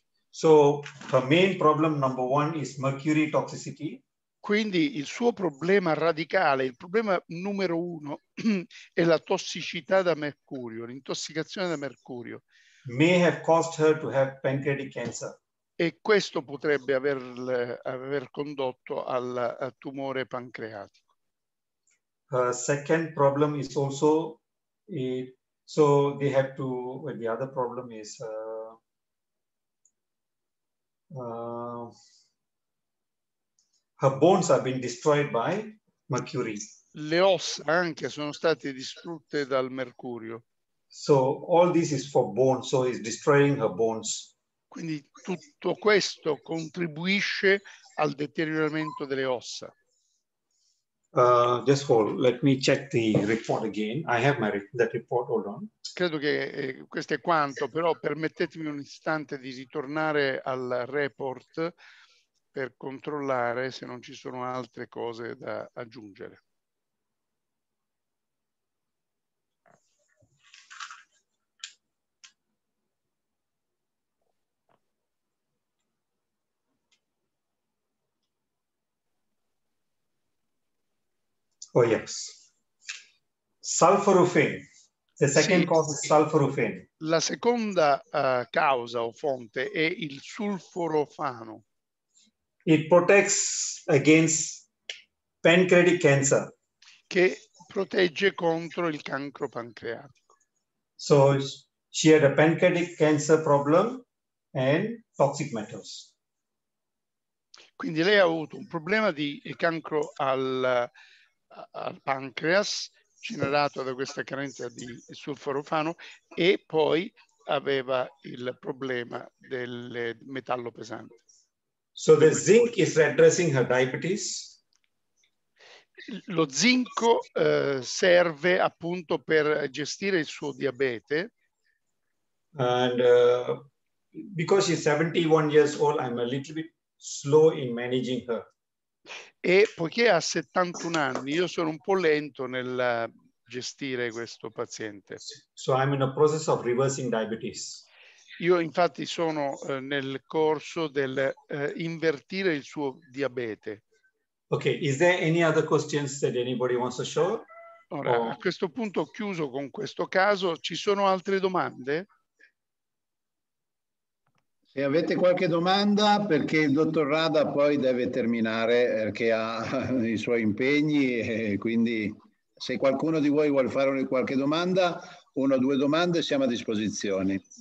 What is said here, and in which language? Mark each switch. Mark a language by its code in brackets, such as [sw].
[en] So the main problem number one is mercury toxicity. [it] Quindi il suo problema radicale, il problema numero uno, è la tossicità da mercurio, l'intossicazione da mercurio. [en] May have caused her to have pancreatic cancer. [it] E questo potrebbe aver condotto al tumore pancreatico. [en] Her second problem is also, so they have to, well, the other problem is... her bones have been destroyed by mercury. [it] Le ossa anche sono state distrutte dal mercurio. [en] So all this is for bones, so it's destroying her bones. [it] Quindi tutto questo contribuisce al deterioramento delle ossa. [en] Just hold, let me check the report again. I have my that report, hold on. [it] Credo che questo è quanto, però permettetemi un istante di ritornare al report per controllare se non ci sono altre cose da aggiungere. [en] Oh yes. Sulforaphane. The second cause is sulforaphane. [it] La seconda causa o fonte è il sulforofano. [en] It protects against pancreatic cancer. [it] Che protegge contro il cancro pancreatico. [en] So she had a pancreatic cancer problem and toxic metals. [it] Quindi lei ha avuto un problema di cancro al pancreas generato da questa carenza di sulforofano e poi aveva il problema del metallo pesante. [en] So the zinc is addressing her diabetes. [it] Lo zinco serve appunto per gestire il suo diabete. [en] And because she's 71 years old, I'm a little bit slow in managing her. [it] E poiché ha 71 anni, io sono un po' lento nel gestire questo paziente. [en] So I'm in a process of reversing diabetes. [it] Io infatti sono nel corso del invertire il suo diabete. [en] Okay, is there any other questions that anybody wants to show? [it] Ora, a questo punto ho chiuso con questo caso. Ci sono altre domande? Se avete qualche domanda, perché il dottor Rada poi deve terminare perché ha i suoi impegni, e quindi se qualcuno di voi vuole fare qualche domanda, una o due domande, siamo a disposizione.